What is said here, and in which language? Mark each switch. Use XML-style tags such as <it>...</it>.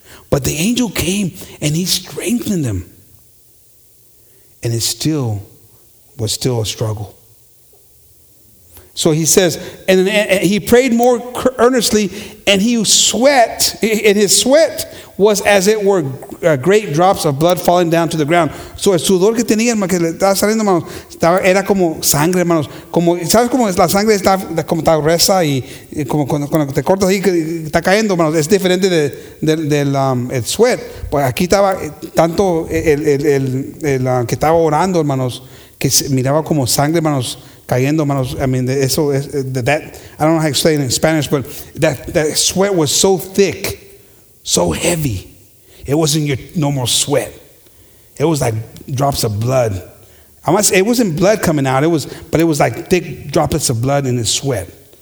<en>But the angel came and he strengthened him. And it still was still a struggle. So he says, and he prayed more earnestly, and he sweat, and his sweat was as it were great drops of blood falling down to the ground.</en> <es>So el sudor que tenía, hermano, que le estaba saliendo, hermanos, era como sangre, hermanos. Como, ¿sabes cómo es la sangre? Está como está gruesa y como cuando te cortas ahí, está cayendo, hermanos. Es diferente del sweat. Pues aquí estaba tanto el que estaba orando, hermanos, que miraba como sangre, hermanos. Cayendo, hermanos.</es> <en>I mean, eso, that, I don't know how to explain it in Spanish, but that sweat was so thick, so heavy. It wasn't your normal sweat. It was like drops of blood. I must say, it wasn't blood coming out. But it was like thick droplets of blood in his sweat.</en>